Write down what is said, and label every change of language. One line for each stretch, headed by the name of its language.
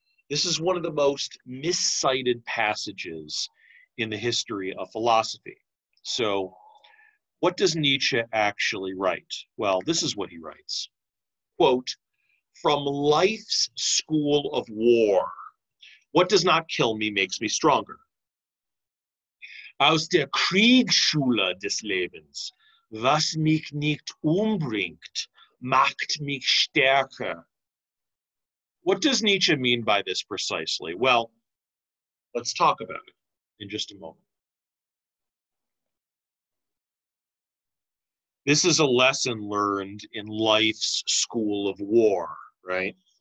English: This is one of the most miscited passages in the history of philosophy. So, what does Nietzsche actually write? Well, this is what he writes. Quote, "From life's school of war, what does not kill me makes me stronger.
German: Aus der Kriegsschule des Lebens, was mich nicht umbringt, macht mich stärker."
English: What does Nietzsche mean by this precisely? Well, let's talk about it in just a moment. This is a lesson learned in life's school of war, right?